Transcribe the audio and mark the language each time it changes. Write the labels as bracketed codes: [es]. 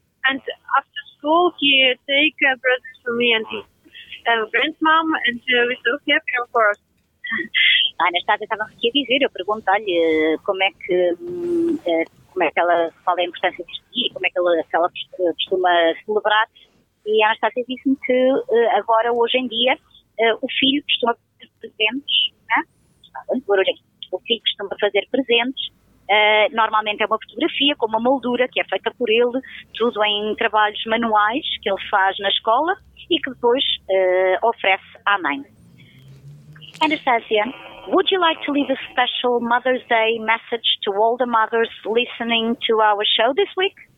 [en] And after school, he take a present for me and his grandmom, and we're so happy, of course. [pt] A Anastasia estava aqui a dizer, eu pergunto-lhe como é que ela fala a importância deste dia, como é que ela costuma celebrar, e a Anastasia disse-me que agora, hoje em dia, o filho costuma fazer presentes, né? O filho costuma fazer presentes, normalmente é uma fotografia com uma moldura que é feita por ele, tudo em trabalhos manuais que ele faz na escola e que depois oferece à mãe. [en] Anastasia, would you like to leave a special Mother's Day message to all the mothers listening to our show this week?